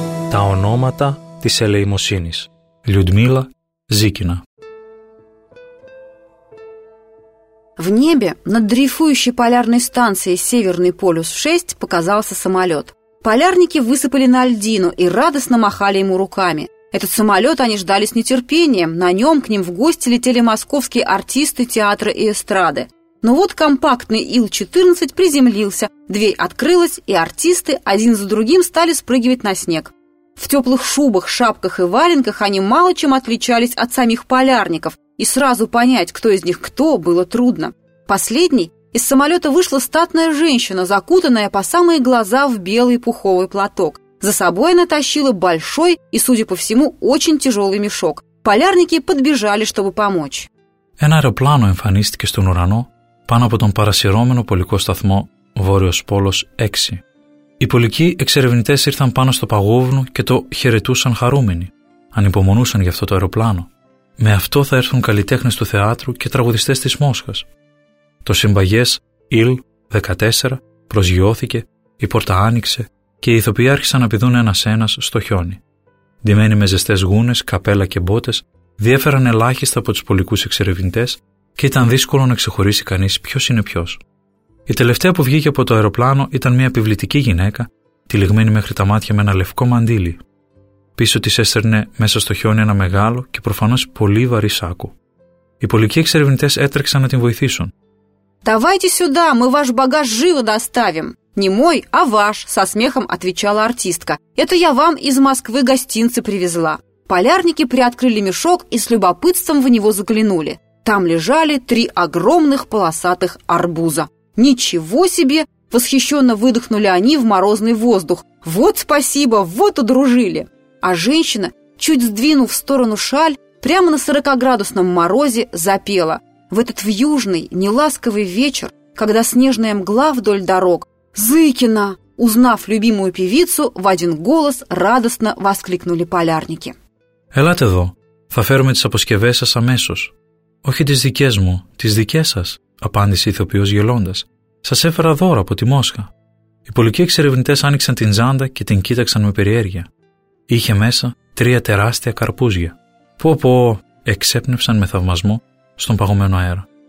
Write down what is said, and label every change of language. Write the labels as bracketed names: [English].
[Greek] Τα ονόματα της ελεημοσύνης. [Russian] Людмила Зикина. В небе над дрейфующей полярной станцией «Северный полюс-6» показался самолет. Полярники высыпали на льдину и радостно махали ему руками. Этот самолет они ждали с нетерпением. На нем к ним в гости летели московские артисты театра и эстрады. Но вот компактный Ил-14 приземлился, дверь открылась, и артисты один за другим стали спрыгивать на снег. В теплых шубах, шапках и валенках они мало чем отличались от самих полярников, и сразу понять, кто из них кто, было трудно. Последней из самолета вышла статная женщина, закутанная по самые глаза в белый пуховый платок. За собой она тащила большой и, судя по всему, очень тяжелый мешок. Полярники подбежали, чтобы помочь. [Greek] Ein aeroplano εμφανίστηκε στον ουρανό πάνω από τον παρασυρώμενο πολικό σταθμό Βόρειος Πόλος 6. Οι πολικοί εξερευνητές ήρθαν πάνω στο παγόβουνο και το χαιρετούσαν χαρούμενοι. Ανυπομονούσαν για αυτό το αεροπλάνο. Με αυτό θα έρθουν καλλιτέχνες του θεάτρου και τραγουδιστές της Μόσχας. Το συμπαγές Ιλ-14 προσγειώθηκε, η πόρτα άνοιξε και οι ηθοποιοί άρχισαν να πηδούν ένας-ένας στο χιόνι. Ντυμένοι με ζεστές γούνες, καπέλα και μπότες, διέφεραν ελάχιστα από τους πολικούς εξερευνητές και ήταν δύσκολο να ξεχωρίσει κανείς ποιος είναι ποιος. Η τελευταία που βγήκε από το αεροπλάνο ήταν μια επιβλητική γυναίκα, τυλιγμένη μέχρι τα μάτια με ένα λευκό μαντίλι. Πίσω της έστερνε μέσα στο χιόνι ένα μεγάλο και προφανώς πολύ βαρύ σάκο. Οι πολικοί εξερευνητές έτρεξαν να την βοηθήσουν. [Russian] «Давайте сюда, мы ваш багаж живо доставим». «Не мой, а ваш», — со смехом отвечала артистка. «Это я вам из Москвы гостинцы привезла». Полярники приоткрыли мешок и с любопытством в него заглянули. Там лежали три огромных полосатых арбуза. «Ничего себе!» — восхищенно выдохнули они в морозный воздух. «Вот спасибо, вот удружили!» А женщина, чуть сдвинув в сторону шаль, прямо на 40-градусном морозе запела. В этот вьюжный, неласковый вечер, когда снежная мгла вдоль дорог, «Зыкина!» — узнав любимую певицу, в один голос радостно воскликнули полярники. [Greek] «Ελάτε εδώ, θα φέρουμε τις αποσκευές σας αμέσως». «Όχι τις δικές μου, τις δικές σας», απάντησε η ηθοποιός γελώντας. «Σας έφερα δώρα από τη Μόσχα». Οι πολικοί εξερευνητές άνοιξαν την τζάντα και την κοίταξαν με περιέργεια. Είχε μέσα τρία τεράστια καρπούζια. «Πω πω», εξέπνευσαν με θαυμασμό στον παγωμένο αέρα.